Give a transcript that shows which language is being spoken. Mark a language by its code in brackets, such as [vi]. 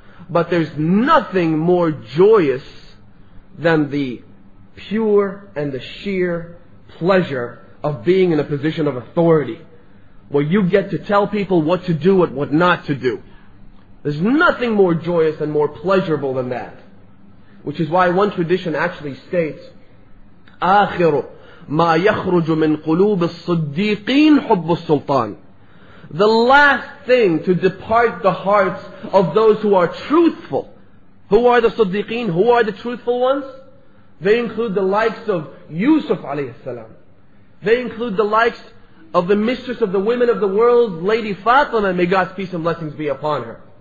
[en] But there's nothing more joyous than the pure and the sheer pleasure of being in a position of authority. where you get to tell people what to do and what not to do. There's nothing more joyous and more pleasurable than that. Which is why one tradition actually states, [ar] آخر ما يخرج من قلوب الصديقين حب السلطان. [en] The last thing to depart the hearts of those who are truthful. Who are the Siddiqeen? Who are the truthful ones? They include the likes of Yusuf alayhi salam. They include the likes of the mistress of the women of the world, Lady Fatima, may God's peace and blessings be upon her.